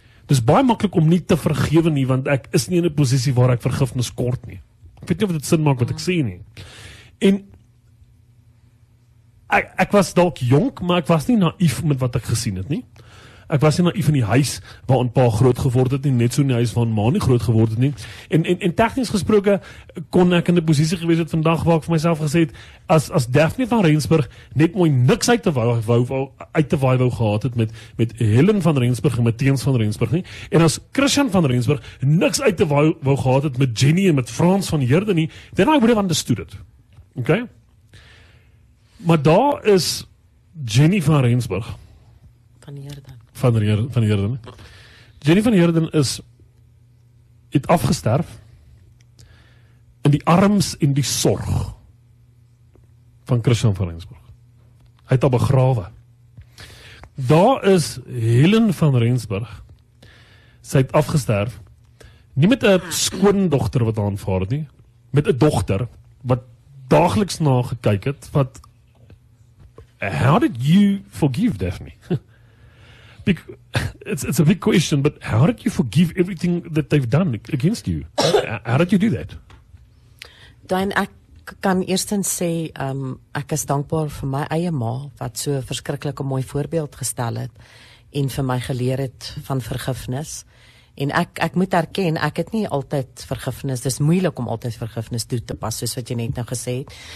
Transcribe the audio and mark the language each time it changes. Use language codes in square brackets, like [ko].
[af] Dis baie maklik om nie te vergewe nie, want ek is nie in 'n posisie waar ek vergifnis kort nie. Ek weet nie of dit sin maak wat ek sê nie. En ek was dalk jonk, maar ek was nie naïef met wat ek gesien het nie. Ek was nie naïef in die huis waarin pa groot geword het nie, net so in die huis waarin ma nie groot geword het nie. En technisch gesproke kon ek in die posisie gewees het vandag waar ek vir myself gesê het, as Daphné van Rensburg net mooi niks uit te wou gehad het met Helen van Rensburg en met Teens van Rensburg nie, en as Christian van Rensburg niks uit te wou gehad het met Jenny en met Frans van Heerde nie, [en] then I would have understood it. [af] Okay? Maar daar is Jenny van Rensburg. Van Heerden. Jenny van Heerden het afgesterf in die arms en die sorg van Christian van Rensburg. Hy het al begrawe. Daar is Helen van Rensburg. Sy het afgesterf nie met 'n skoondogter wat aanvaar het nie, met 'n dogter wat dagliks na gekyk het, wat [en] how did you forgive Daphne? It's a big question, but how did you forgive everything that they've done against you? How did you do that? [af] Dan, ek kan eerstens sê, ek is dankbaar vir my eie ma, wat so verskriklik 'n mooi voorbeeld gestel het, en vir my geleer het van vergifnis. En ek moet erken, ek het nie altyd vergifnis, dis moeilik om altyd vergifnis toe te pas, soos wat jy net nou gesê het.